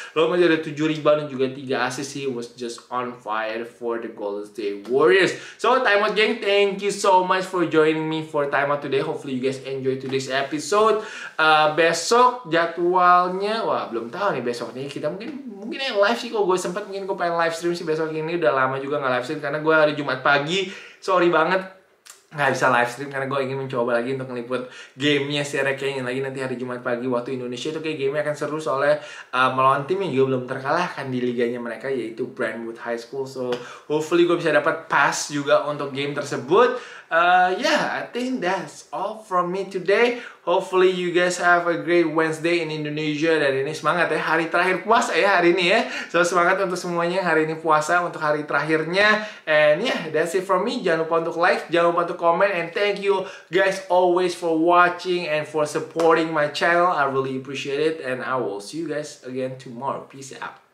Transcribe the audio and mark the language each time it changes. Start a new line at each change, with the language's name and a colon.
Indonesian: Lalu masih ada 7 rebound dan juga 3 assist.
English: He was just on fire for the Golden State Warriors. So time out gang, thank you so much for joining me for time out today. Hopefully you guys enjoy today's episode.
Indonesian: Besok jadwalnya, wah belum tahu nih besok nih, kita mungkin yang live sih, kalau gue sempet mungkin gue pengen live stream sih besok ini. Udah lama juga gak live stream karena gue hari Jumat pagi, sorry banget gak bisa live stream karena gue ingin mencoba lagi untuk ngeliput gamenya si Rekeng lagi nanti hari Jumat pagi waktu Indonesia. Itu kayak gamenya akan seru soalnya melawan tim yang juga belum terkalahkan di liganya mereka, yaitu Brentwood High School.
English: So hopefully
Indonesian: gue bisa dapat pass juga untuk game tersebut.
English: Yeah, I think that's all from me today. Hopefully you guys have a great Wednesday in Indonesia.
Indonesian: Dan ini semangat ya, hari terakhir puasa ya hari ini ya. So semangat untuk semuanya hari ini puasa, untuk hari terakhirnya.
English: And yeah, that's it from me.
Indonesian: Jangan lupa untuk like, jangan lupa untuk comment.
English: And thank you guys always for watching and for supporting my channel. I really appreciate it. And I will see you guys again tomorrow. Peace out.